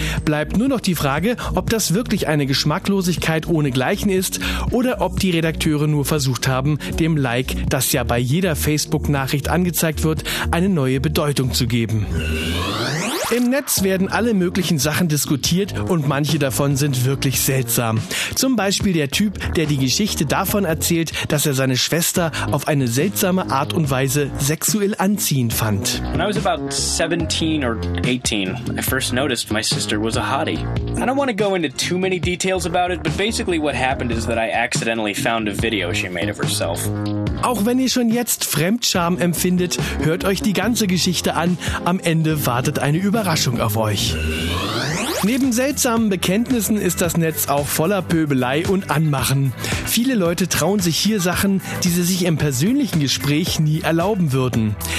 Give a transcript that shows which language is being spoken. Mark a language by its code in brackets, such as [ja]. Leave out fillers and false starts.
[de] Bleibt nur noch die Frage, ob das wirklich eine Geschmacklosigkeit ohnegleichen ist oder ob die Redakteure nur versucht haben, dem Like, das ja bei jeder Facebook-Nachricht angezeigt wird, eine neue Bedeutung zu geben. Im Netz werden alle möglichen Sachen diskutiert und manche davon sind wirklich seltsam. Zum Beispiel der Typ, der die Geschichte davon erzählt, dass er seine Schwester auf eine seltsame Art und Weise sexuell anziehend fand. [en] When I was about 17 or 18, I first noticed my sister was a hottie. I don't want to go into too many details about it, but basically what happened is that I accidentally found a video she made of herself. [de] Auch wenn ihr schon jetzt Fremdscham empfindet, hört euch die ganze Geschichte an. Am Ende wartet eine Überraschung auf euch. Neben seltsamen Bekenntnissen ist das Netz auch voller Pöbelei und Anmachen. Viele Leute trauen sich hier Sachen, die sie sich im persönlichen Gespräch nie erlauben würden.